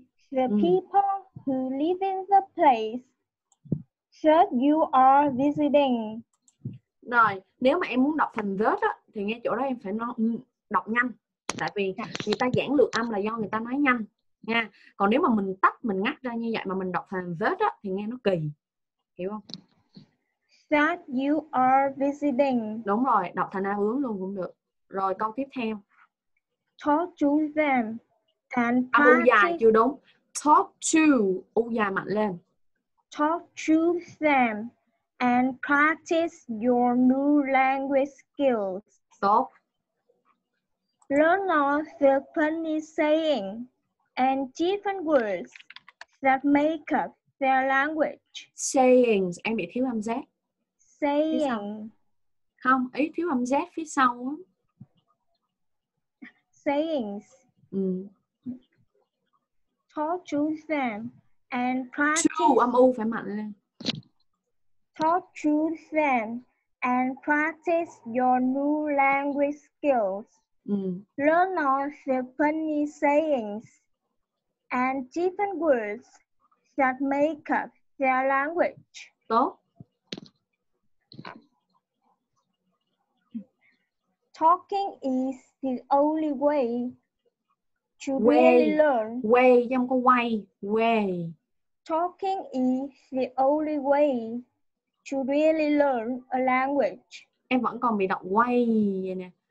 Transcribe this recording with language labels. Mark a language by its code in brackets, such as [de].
[en] The people who live in the place that you are visiting. [vi] Rồi, nếu mà em muốn đọc thành that thì nghe chỗ đó em phải nói đọc nhanh, tại vì người ta giảng lược âm là do người ta nói nhanh nha. Còn nếu mà mình tắt, mình ngắt ra như vậy mà mình đọc thành vết á thì nghe nó kỳ, hiểu không? [en] That you are visiting. [vi] Đúng rồi, đọc thành a hướng luôn cũng được. Rồi câu tiếp theo. [en] Talk to them and [vi] party. À, chưa đúng. [en] Talk to, [vi] u dài mạnh lên. [en] Talk to them and practice your new language skills. Stop. Learn all the funny saying and different words that make up their language. [vi] Sayings, em bị thiếu âm Z. [en] Saying. [vi] Không, ý thiếu âm Z phía sau. [en] Sayings. Talk to them and practice. [vi] To, âm U phải mạnh lên. [en] Talk to them and practice your new language skills. Learn all the funny sayings and different words that make up their language. [vi] Tốt. [en] Talking is the only way to really learn. [vi] Way, chứ không có way. Way. [en] Talking is the only way to really learn a language. [vi] Em vẫn còn bị đọc way vậy nè.